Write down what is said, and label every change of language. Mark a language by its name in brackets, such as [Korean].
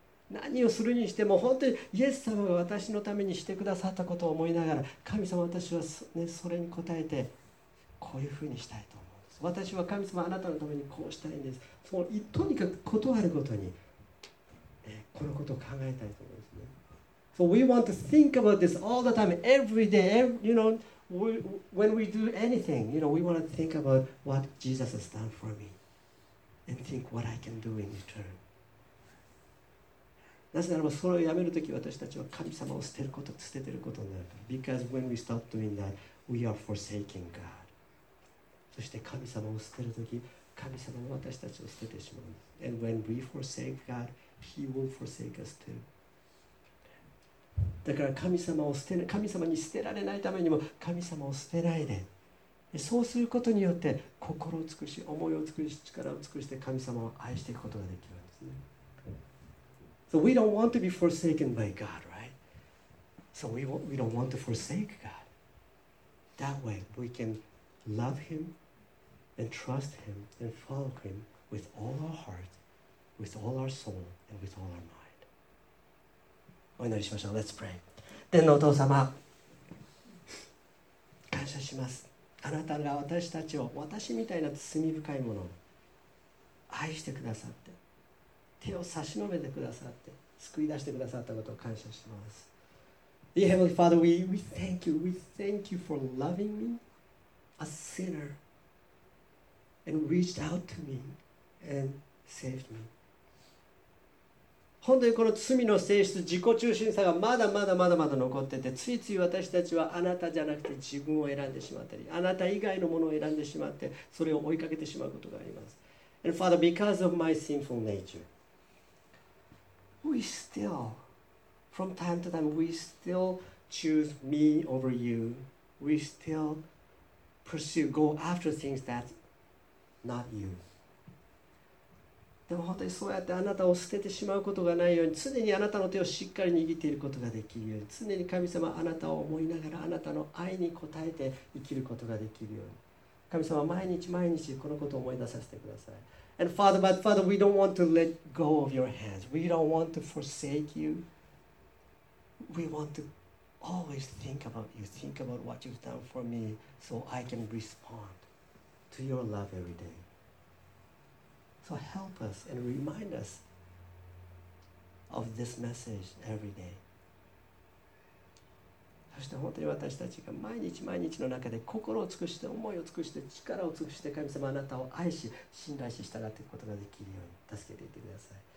[Japanese] 何をするにしても本当にイエス様が私のためにしてくださったことを思いながら神様私は それに応えてこういうふうにしたいと思うんです。私は神様あなたのためにこうしたいんです。そのとにかく断るごとに、このことを考えたいと思うんですね。 [English] So we want to think about this all the time, every day, you know, when we do anything, you know, we want to think about what Jesus has done for me and think what I can do in return. [Japanese] なぜならばそれをやめるとき私たちは神様を捨てること捨ててることになる。 [English] Because when we stop doing that, we are forsaking God. [Japanese] そして神様を捨てるとき神様も私たちを捨ててしまう。 [English] And when we forsake God, He will forsake us too. [Japanese] だから神様を捨て神様に捨てられないためにも神様を捨てないで。そうすることによって心を尽くし思いを尽くし力を尽くして神様を愛していくことができるんですね。 [English] So we don't want to be forsaken by God, right? So we don't want to forsake God. That way we can love Him and trust Him and follow Him with all our heart, with all our soul, and with all our mind. [Japanese] お祈りしましょう。 [English] Let's pray. [Japanese] 天のお父様、感謝します。あなたが私たちを、私みたいな罪深いものを愛してくださって、手を差し伸べてくださって救い出してくださったことを感謝します。 [English] Dear Heavenly Father, we thank you. We thank you for loving me, a sinner, and reached out to me and saved me. [Japanese] 本当にこの罪の性質、自己中心さがまだまだまだまだ残ってて、ついつい私たちはあなたじゃなくて自分を選んでしまったり、あなた以外のものを選んでしまってそれを追いかけてしまうことがあります。 [English] And Father, because of my sinful natureWe still, from time to time, we still choose me over you. We still pursue, go after things that's not you. [Japanese] でも本当にそうやってあなたを捨ててしまうことがないように、常にあなたの手をしっかり握っていることができるように、常に神様あなたを思いながらあなたの愛に応えて生きることができるように、神様毎日毎日このことを思い出させてください。 [English] And Father, but Father, we don't want to let go of your hands. We don't want to forsake you. We want to always think about you, think about what you've done for me, so I can respond to your love every day. So help us and remind us of this message every day. [Japanese] そして本当に私たちが毎日毎日の中で心を尽くして思いを尽くして力を尽くして神様あなたを愛し信頼し従っていくことができるように助けていてください。